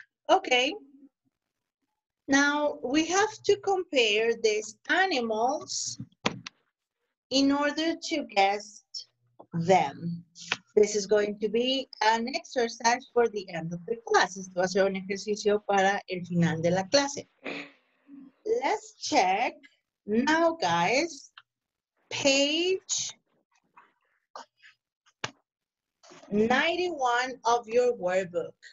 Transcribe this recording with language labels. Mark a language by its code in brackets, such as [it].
[en] Okay, now we have to compare these animals in order to guess them. This is going to be an exercise for the end of the class. [es] Esto va a ser un ejercicio para el final de la clase. [en] Let's check now, guys, page 91 of your workbook.